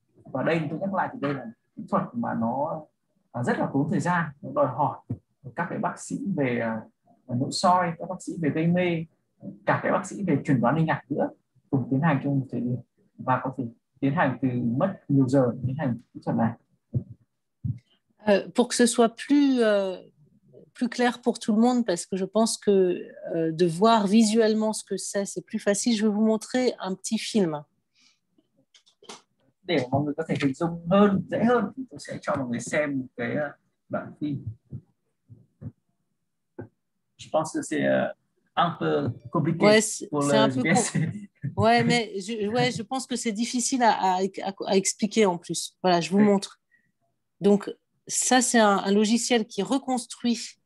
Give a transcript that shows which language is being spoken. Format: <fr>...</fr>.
<vi>Và đây tôi nhắc lại thì đây là kỹ thuật mà nó rất là tốn thời gian, nó đòi hỏi các cái bác sĩ về nội soi, các bác sĩ về gây mê, cả cái bác sĩ về chuẩn đoán hình ảnh nữa cùng tiến hành trong một thời điểm và có thể tiến hành từ mất nhiều giờ tiến hành kỹ thuật này.</vi> <fr>Pour que ce soit plus clair pour tout le monde, parce que je pense que de voir visuellement ce que c'est plus facile, je vais vous montrer un petit film.</fr> <vi>Để mọi người có thể hình dung hơn, dễ hơn, tôi sẽ cho mọi người xem một cái đoạn phim.</vi> <fr>Je pense que c'est un peu compliqué ouais, pour le GPS. Ouais, mais je pense que c'est difficile à expliquer en plus. Voilà, je vous montre. Donc, ça, c'est un logiciel qui reconstruit.</fr>